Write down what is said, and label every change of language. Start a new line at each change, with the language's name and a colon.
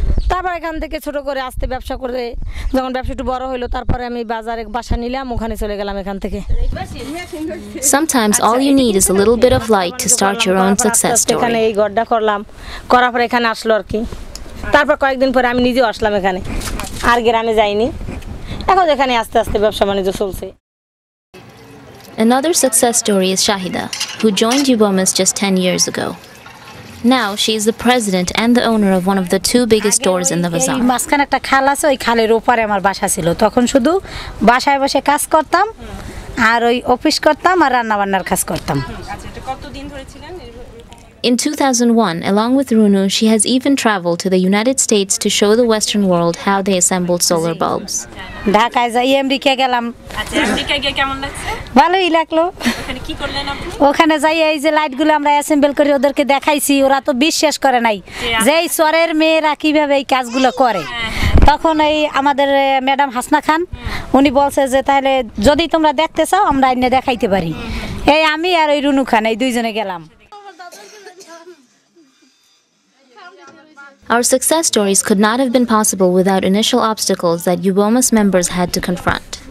Bangla: তারপরে এখান থেকে ছোট করে আস্তে ব্যবসা করে যখন ব্যবসা একটু বড় হলো তারপরে আমি বাজারে বাসা নিলাম ওখানে চলে গেলাম এখান থেকে
English: Sometimes all you need is a little bit of light to start your own success story
Bangla: এখানে এই গড়টা করলাম করার পর এখানে আসলো আর কি তারপর কয়েকদিন পরে আমি নিজে আসলাম এখানে আর গ্রামে যাইনি এখন এখানে আস্তে আস্তে ব্যবসা মানে যে চলছে
English: Another success story is Shahida, who joined UBOMAS just 10 years ago. Now she is the president and the owner of one of the two biggest stores in the bazaar.
Bangla: মাসখানেক একটা খাল আছে ওই খালের উপরে আমার বাসা ছিল তখন শুধু বাসায় বসে কাজ করতাম আর ওই অফিস করতাম আর রান্নাবান্নার কাজ করতাম
English: In 2001, along with Runu, she has even traveled to the United States to show the Western world how they assembled solar bulbs.
Bangla: ঢাকায় যাই আমেরিকা গেলাম আচ্ছা আমেরিকা গিয়ে কেমন লাগছে ভালোই লাগলো ওখানে কি করলেন আপনি ওখানে যাই এই যে লাইটগুলো আমরা অ্যাসেম্বল করে ওদেরকে দেখাইছি ওরা তো বিশ্বাস করে নাই যে এই সরের মেয়েরা কিভাবে এই কাজগুলো করে তখন এই আমাদের ম্যাডাম হাসনা খান উনি বলছে যে তাহলে যদি তোমরা দেখতে চাও আমরা এনে দেখাইতে পারি এই আমি আর ওই রুনু খান এই দুইজনে গেলাম
English: Our success stories could not have been possible without initial obstacles that UBOMAS members had to confront.